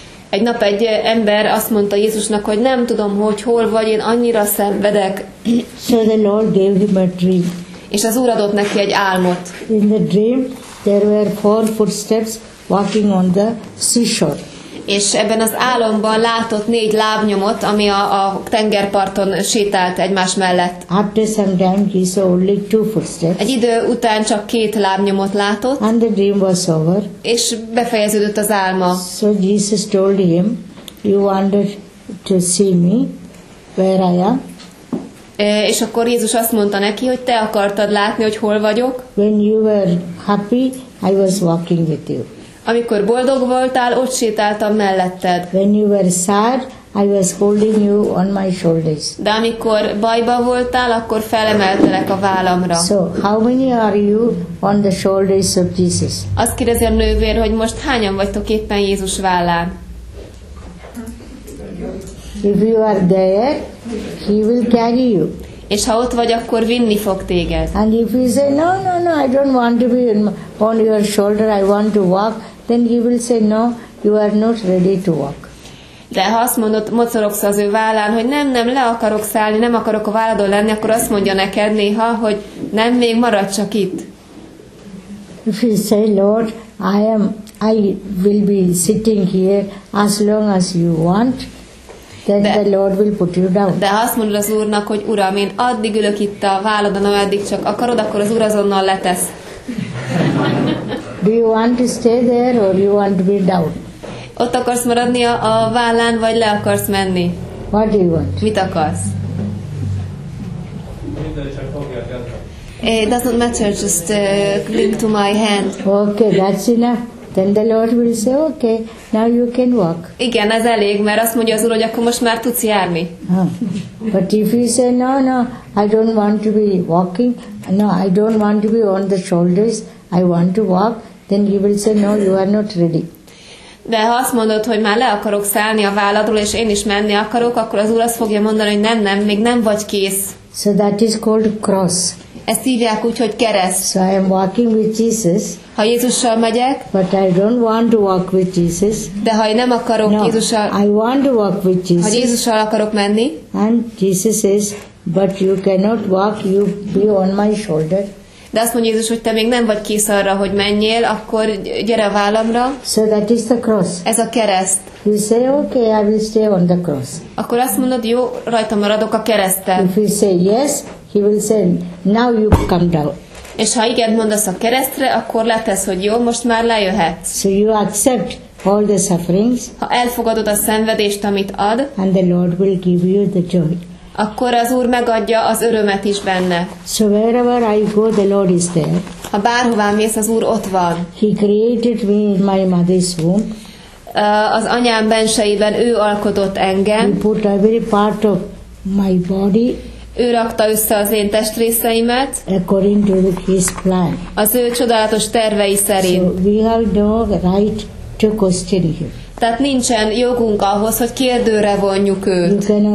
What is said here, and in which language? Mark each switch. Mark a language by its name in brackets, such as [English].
[Hungarian] Egy nap egy ember azt mondta Jézusnak, hogy nem tudom, hogy hol vagy, én annyira szenvedek. [English] So the Lord gave him a dream. [Hungarian] És az Úr adott neki egy álmot. [English] In the dream, there were four footsteps walking on the seashore. [Hungarian] És ebben az álomban látott négy lábnyomot, ami a tengerparton sétált egymás mellett. [English] After some time, he saw only two footsteps. [Hungarian] Egy idő után csak két lábnyomot látott. [English] And the dream was over. [Hungarian] És befejeződött az álma. [English] So Jesus told him, you wanted to see me, where I am. [Hungarian] És akkor Jézus azt mondta neki, hogy te akartad látni, hogy hol vagyok. [English] When you were happy, I was walking with you. [Hungarian] Amikor boldog voltál, ott sétáltam melletted. [English] When you were sad, I was holding you on my shoulders. [Hungarian] De amikor bajba voltál, akkor felemeltelek a vállamra. [English] So, how many are you on the shoulders of Jesus? [Hungarian] Azt kérdezi a nővér, hogy most hányan vagytok éppen Jézus vállán? [English] If you are there, he will carry you. [Hungarian] És ha ott vagy, akkor vinni fog téged. [English] And if you say, no, I don't want to be on your shoulder, I want to walk, then he will say, no, you are not ready to walk. [Hungarian] De ha azt mondod, mocorogsz az ő vállán, hogy nem, le akarok szállni, nem akarok a válladon lenni, akkor azt mondja neked néha, hogy nem, még maradj csak itt. [English] If you say, Lord, I will be sitting here as long as you want, then the Lord will put you down. [Hungarian] De azt mondod az Úrnak, hogy Uram, én addig ülök itt a váladon, ameddig csak akarod, akkor az Úr azonnal letesz. [English] Do you want to stay there or you want to be down? [Hungarian] Ott akarsz maradni a vállán, vagy le akarsz menni? [English] What do you want? [Hungarian] Mit akarsz? [English] It doesn't matter, just cling to my hand. Okay, that's enough. Then the Lord will say, okay, now you can walk. [Hungarian] Igen, ez elég, mert azt mondja az Úr, hogy akkor most már tudsz járni. [English] But if you say, no, I don't want to be walking, no, I don't want to be on the shoulders, I want to walk, then he will say, no, you are not ready. [Hungarian] De ha azt mondod, hogy már le akarok szállni a válladról, és én is menni akarok, akkor az Úr azt fogja mondani, hogy nem, még nem vagy kész. [English] So that is called cross. [Hungarian] Ezt hívják úgy, hogy kereszt. [English] So I am walking with Jesus. [Hungarian] Ha Jézussal megyek. [English] But I don't want to walk with Jesus. [Hungarian] De ha én nem akarok Jézussal. [English] I want to walk with Jesus. [Hungarian] Ha Jézussal akarok menni. [English] And Jesus says, but you cannot walk, you be on my shoulder. [Hungarian] De azt mondja Jézus, hogy te még nem vagy kész arra, hogy menjél, akkor gyere vállamra. [English] So that is the cross. [Hungarian] Ez a kereszt. [English] You say, okay, I will stay on the cross. [Hungarian] Akkor azt mondod, jó, rajta maradok a kereszten. [English] If you say yes, he will say, now you come down. [Hungarian] És ha igen mondasz a keresztre, akkor letesz, hogy jó, most már lejöhetsz. [English] So you accept all the sufferings. [Hungarian] Ha elfogadod a szenvedést, amit ad. [English] And the Lord will give you the joy. [Hungarian] Akkor az Úr megadja az örömet is benne. [English] So wherever I go, the Lord is there. [Hungarian] Ha bárhová mész, az Úr ott van. [English] He created me in my mother's womb. [Hungarian] Az anyám benseiben ő alkotott engem. [English] He put every part of my body. [Hungarian] Ő rakta össze az én testrészeimet. [English] According to his plan. [Hungarian] Az ő csodálatos tervei szerint. [English] So we have no right to question him. [Hungarian] Tehát nincsen jogunk ahhoz, hogy kérdőre vonjuk őt.